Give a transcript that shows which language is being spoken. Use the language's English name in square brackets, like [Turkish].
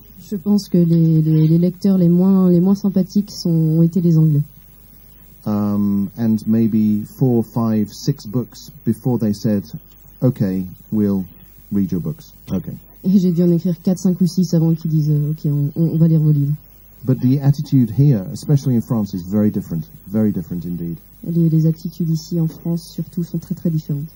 [French] Je pense que les lecteurs les moins sympathiques ont été les Anglais. [English] And maybe 4, 5, 6 books before they said, okay, we'll read your books. Okay. [French] Et j'ai dû en écrire 4, 5 ou 6 avant qu'ils disent, ok, on va lire vos livres. [English] But the attitude here, especially in France, is very different. Very different indeed. [French] Les attitudes ici en France, surtout, sont très très différentes.